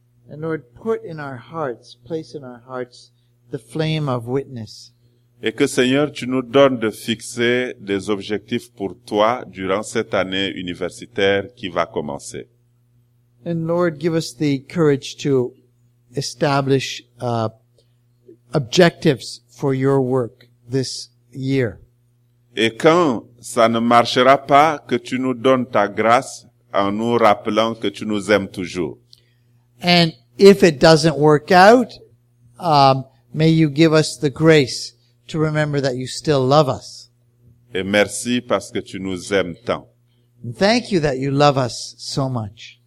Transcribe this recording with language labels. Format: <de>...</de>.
<en>And Lord, put in our hearts, place in our hearts the flame of witness.</en> <fr>Et que, Seigneur, tu nous donnes de fixer des objectifs pour toi durant cette année universitaire qui va commencer.</fr> <en>And Lord, give us the courage to establish objectives for your work this year.</en> <fr>Et quand ça ne marchera pas, que tu nous donnes ta grâce en nous rappelant que tu nous aimes toujours.</fr> <en>And if it doesn't work out, may you give us the grace to remember that you still love us.</en> <fr>Et merci parce que tu nous aimes tant.</fr> <en>Thank you that you love us so much.</en>